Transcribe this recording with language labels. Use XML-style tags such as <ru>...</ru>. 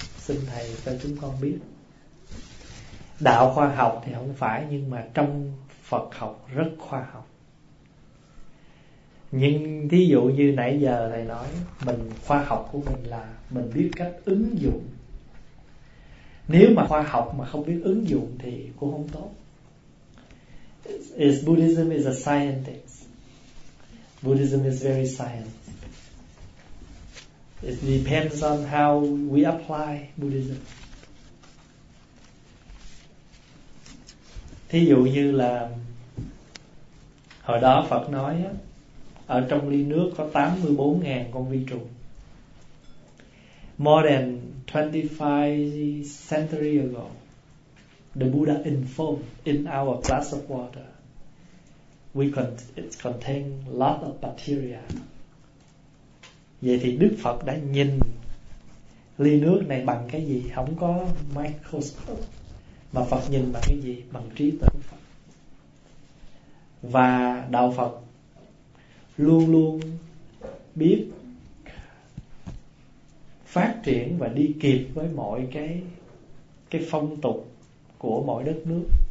<vi>Xin thầy cho chúng con biết. Đạo khoa học thì không phải, nhưng mà trong Phật học rất khoa học. Nhưng thí dụ như nãy giờ thầy nói, mình khoa học của mình là mình biết cách ứng dụng. Nếu mà khoa học mà không biết ứng dụng thì cũng không tốt.</vi> <en>Is Buddhism is a scientist. Buddhism is very science. It depends on how we apply Buddhism.</en> <vi>Thí dụ như là hồi đó Phật nói á, ở trong ly nước có 84,000 con vi trùng.</vi> <en>More than 25 centuries ago, the Buddha informed in our glass of water, it contains lot of bacteria.</en> <vi>Vậy thì Đức Phật đã nhìn ly nước này bằng cái gì? Không có microscope, mà Phật nhìn bằng cái gì? Bằng trí tuệ của Phật. Và đạo Phật luôn luôn biết phát triển và đi kịp với mọi cái phong tục của mọi đất nước.</vi>